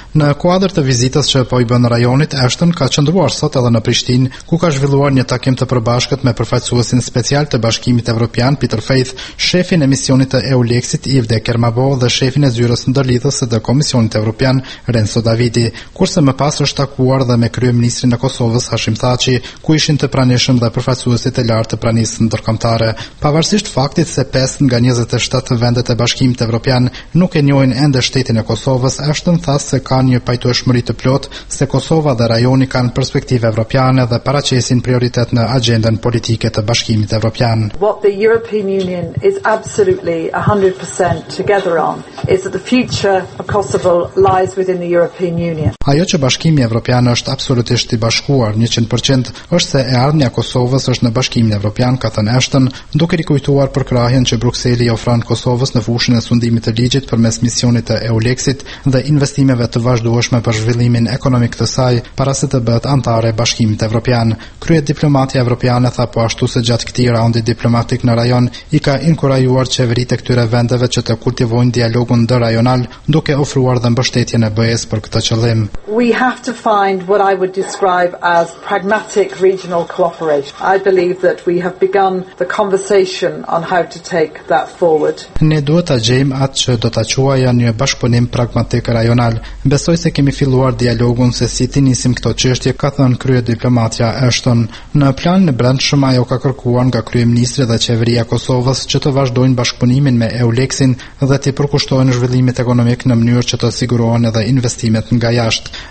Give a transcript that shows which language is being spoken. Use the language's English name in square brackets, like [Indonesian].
[Albanian] Në kuadër të vizitës që po i bën rajonit, Ashton ka qëndruar sot edhe në Prishtinë, ku ka zhvilluar një takim të përbashkët me përfaqësuesin special të Bashkimit Evropian, Peter Faith, shefin e misionit të EU-Lexit, Yves de Kermabo, dhe shefin e zyrës ndërlidhës së Komisionit Evropian, Renzo Davidi, kurse më pas është takuar edhe me kryeministrin e Kosovës, Hashim Thaçi, ku ishin të pranishëm dhe përfaqësuesit e lartë të pranisë ndërkombëtare. Pavarësisht faktit se 5 nga 27 vendet e Bashkimit Evropian nuk e njohin ende shtetin e Kosovës, Ashton tha se kanë një pajtueshmëri të plotë se Kosova dhe rajoni kanë perspektivë evropiane dhe paraqesin prioritet në agjendën politike të Bashkimit Evropian. [English] What the European Union is absolutely 100% together on is that the future of Kosovo lies within the European Union. [Albanian] Ajo që Bashkimi Evropian është absolutisht i bashkuar 100% është se e ardhmja e Kosovës është në Bashkimin Evropian, ka thënë Ashton, duke rikujtuar përkrahjen që Brukseli ofron Kosovës në fushën e sundimit të ligjit përmes misionit të EU-Lexit dhe investimeve të vazhdueshme për zhvillimin ekonomik të saj para se të bëhet anëtare e Bashkimit Evropian. Krye diplomatia evropiane tha po ashtu se gjatë këtij raundi diplomatik në rajon i ka inkurajuar qeveritë e këtyre vendeve që të kultivojnë dialogun ndërrajonal, duke ofruar dhe mbështetjen e BE-s për këtë qëllim. [English] We have to find what I would describe as pragmatic regional cooperation. I believe that we have begun the conversation on how to take that forward. [Albanian] Ne duhet ta gjejmë atë që do ta quajë një bashkëpunim pragmatik rajonal. Besoj se kemi filluar dialogun se si të nisim këto çështje, ka thënë kryediplomatja Ashton. Në planin e brendshëm ajo ka kërkuar nga kryeministri dhe qeveria Kosovës që të vazhdojnë bashkëpunimin me EU-Lexin dhe të përkushtojnë zhvillimit ekonomik në mënyrë që të sigurohen edhe investimet nga jashtë.